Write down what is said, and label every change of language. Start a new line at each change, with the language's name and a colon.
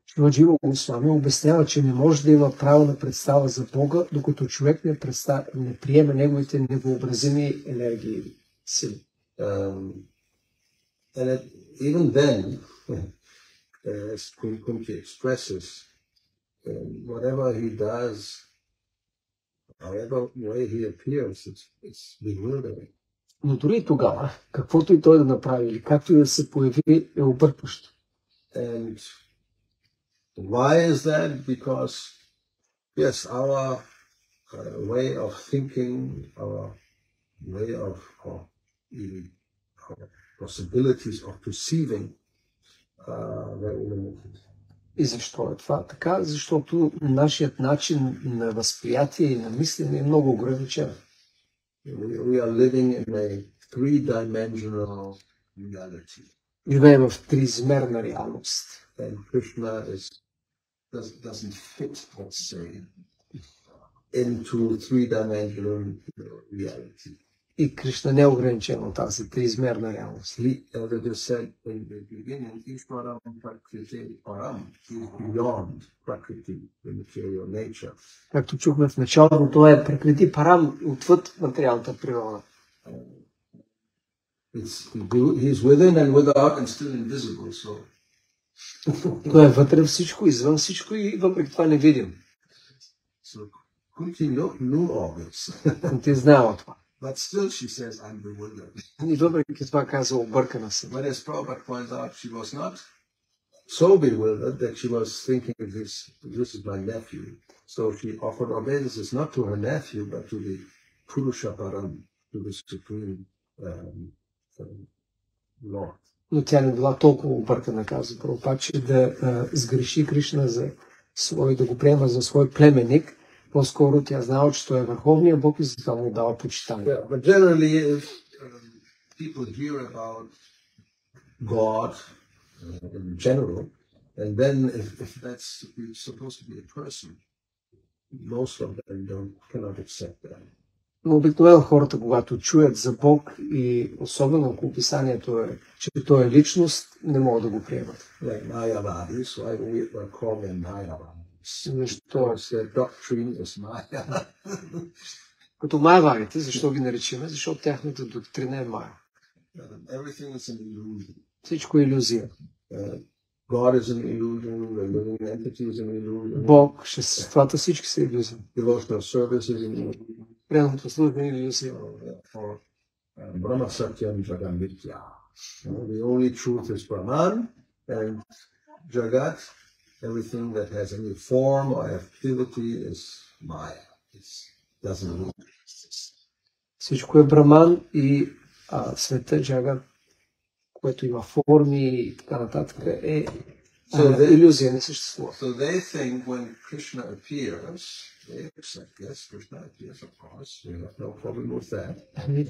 Bulgarian: Джива Госвами обяснява, че не може да има правилна представа за Бога, докато човек не приеме неговите невъобразими енергии и сили.
English: And it, even then, as Кунти expresses, whatever he does, however way he appears, it's bewildering.
Bulgarian: Но дори тогава, каквото и той да направи, или както и да се появи, е объркващо.
English: And why is that? Because, yes, our way of thinking, our way of our possibilities of perceiving very limited.
Bulgarian: И защо е това така? Защото нашият начин на възприятие и на мислене е много ограничен.
English: We are living in a three-dimensional reality.
Bulgarian: Живеем в триизмерна реалност.
English: And Krishna doesn't fit, let's say, into three-dimensional reality.
Bulgarian: И Кришна не е ограничен от тази триизмерна реалност.
English: As I said in the beginning, Ishwaram Prakriti Param is beyond Prakriti, the material nature.
Bulgarian: Както чухме в началото, това е Прекрити Парам, отвъд материалната природа.
English: He's within and without and still invisible, so...
Bulgarian: Той е вътре всичко, извън всичко и въпреки това не видим.
English: So, Kunti knew all this.
Bulgarian: Кунти знава това.
English: But still she says, I'm bewildered.
Bulgarian: И въпреки това казва, объркана се.
English: But as Prabhupada points out, she was not so bewildered that she was thinking this is my nephew. So she offered obeisances not to her nephew, but to the Purusha Param, to the Supreme Lord.
Bulgarian: Но тя не била толкова объркана, казва Прабхупада, че да сгреши Кришна за свой, да го приема за свой племенник. По-скоро тя знала, че той е Върховния Бог и затова му дава почитание.
English: Yeah, but generally, if people hear about God in general, and then if that's supposed to be a person, most of them cannot accept that.
Bulgarian: Но обикновено хората, когато чуят за Бог и особено ако описанието е, че той е личност, не могат да го приемат.
English: Like so we are called Майявади.
Bulgarian: Защо се доктрин с Майя? Като майявадите, защо ги наричаме? Защото тяхната доктрина е Майя.
English: Everything is an illusion.
Bulgarian: Всичко е иллюзия.
English: God is an illusion, living entity is an illusion.
Bulgarian: Бог, шестствата, всички са иллюзия.
English: Devotional service is an illusion.
Bulgarian: Преданото служба е иллюзия.
Sanskrit: Брама сатьям джагам битья.
English: The only truth is Браман and Джагат. Everything that has any form or activity is Maya. It doesn't really exist.
Bulgarian: Всичко е Браман и света джагат, което има форми и така нататък, е илюзия, не съществува.
English: So they think when Krishna appears, they accept, yes, Krishna appears, of course, we have no problem with that.